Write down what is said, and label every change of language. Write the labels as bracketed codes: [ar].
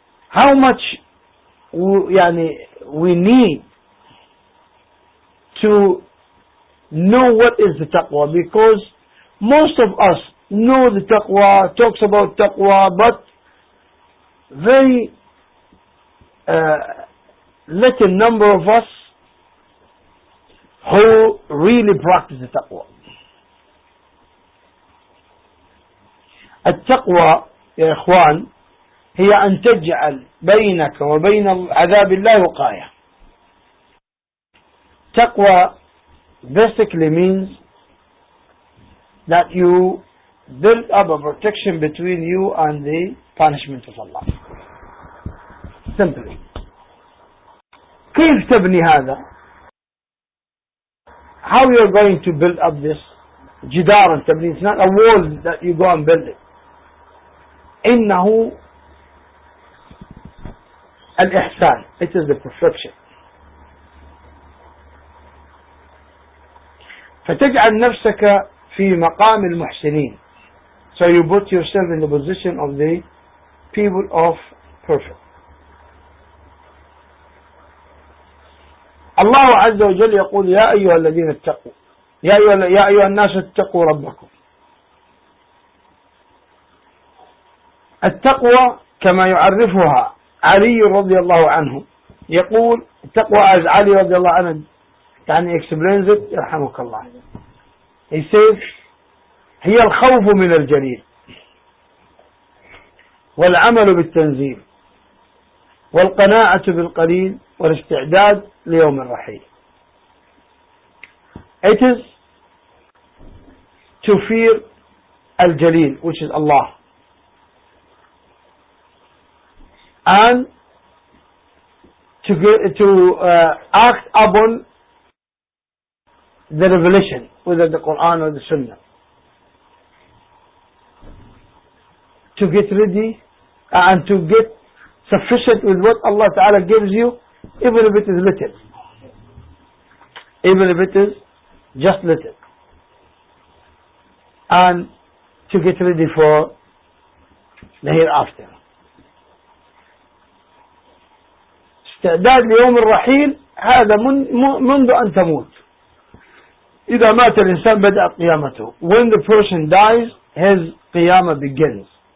[en] How much we need to know what is the taqwa, because most of us know the taqwa, talks about taqwa, but very little number of us who really practice the taqwa. [ar] التقوى يا إخوان هي أن تجعل بينك وبين عذاب الله وقاية. [en] تقوى basically means that you build up a protection between you and the punishment of Allah. [ar] كيف تبني هذا؟ [en] How you're going to build up this [ar] جدار تبني؟ [en] It's not a wall that you go and build it. [ar] إنه الإحسان. [en] It is the perfection. [ar] فتجعل نفسك في مقام المحسنين. [en] So you put yourself in the position of the people of perfect. [ar] الله عز وجل يقول يا أيها الذين اتقوا يا أيها الناس اتقوا ربكم. التقوى كما يعرفها علي رضي الله عنه يقول التقوى as علي رضي الله عنه يعني [en] explains it [ar] يرحمك الله. [en] He says [ar] هي الخوف من الجليل والعمل بالتنزيل والقناعة بالقليل والاستعداد ليوم الرحيل. [en] It is to fear الجليل which is Allah and to act upon the revelation whether the Quran or the Sunnah. to get ready and to get sufficient with what Allah Ta'ala gives you, even if it is little, even if it is just little, and to get ready for the hereafter. [ar] استعداد ليوم الرحيل هذا منذ أن تموت. إذا مات الإنسان بدأ قيامته. [en] When the person dies, his قيامة begins.